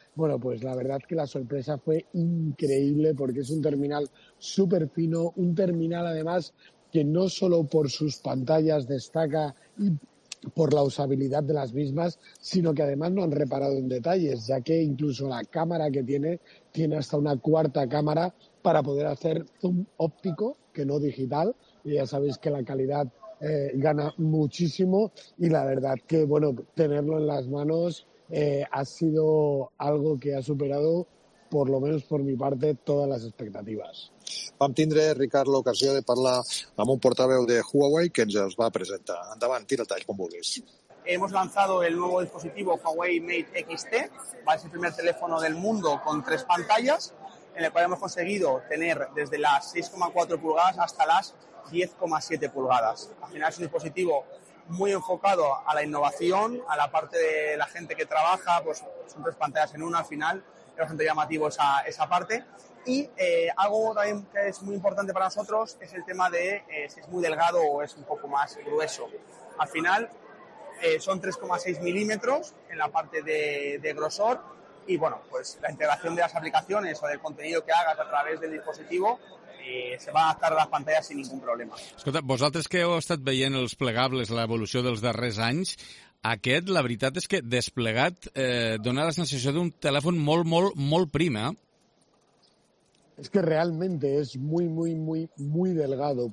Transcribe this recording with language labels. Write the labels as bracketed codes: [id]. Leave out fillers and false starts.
[es] Bueno, pues la verdad que la sorpresa fue increíble porque es un terminal súper fino, un terminal además que no solo por sus pantallas destaca y por la usabilidad de las mismas, sino que además no han reparado en detalles, ya que incluso la cámara que tiene, tiene hasta una cuarta cámara para poder hacer zoom óptico, que no digital, y ya sabéis que la calidad gana muchísimo y la verdad que, bueno, tenerlo en las manos ha sido algo que ha superado, por lo menos por mi parte, todas [ca] les expectatives. Vam tindre, Ricard, l'ocasió de parlar amb un portaveu de Huawei que ens els va presentar. Endavant, tira el tall com vulguis. [es] Hemos lanzado el nuevo dispositivo Huawei Mate XT, va ser el primer teléfono del mundo con tres pantallas, en el cual hemos conseguido tener desde las 6,4 pulgadas hasta las 10,7 pulgadas. Al final es un dispositivo muy enfocado a la innovación, a la parte de la gente que trabaja, pues son tres pantallas en una al final, es bastante llamativo esa parte. Y algo también que es muy importante para nosotros es el tema de si es muy delgado o es un poco más grueso. Al final son 3,6 milímetros en la parte de grosor y bueno, pues la integración de las aplicaciones o del contenido que hagas a través del dispositivo se van a adaptar a las pantallas sin ningún problema. [ca] Escolta, vosaltres que heu estat veient els plegables, l'evolució dels darrers anys, aquest, la veritat és que desplegat, dona la sensació d'un telèfon molt, molt, molt prim, eh? [es] Es que realmente es muy, muy, muy, muy delgado.